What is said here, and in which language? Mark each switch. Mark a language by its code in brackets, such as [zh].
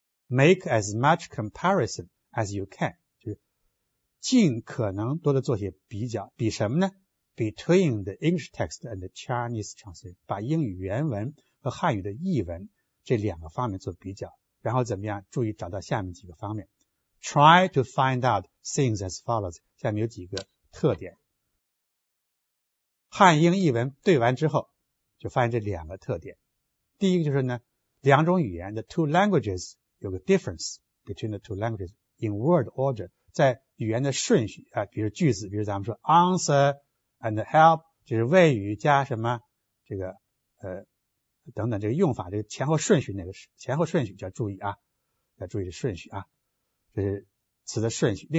[en] Make as much comparison as you can， [zh] 就是尽可能多的做些比较，比什么呢？ [en] between the English text and the Chinese translation, [zh] 把英语原文和汉语的译文这两个方面做比较，然后怎么样？注意找到下面几个方面。 [en] Try to find out things as follows. [zh] 下面有几个特点。汉英译文对完之后，就发现这两个特点。第一个就是呢，两种语言的 [en] two languages [zh] 有个 [en] difference between the two languages in word order， [zh] 在语言的顺序啊，比如句子，比如咱们说 [en] answer and help， [zh] 就是谓语加什么这个等等这个用法，这个前后顺序那个前后顺序就要注意啊，要注意的顺序啊，这是词的顺序。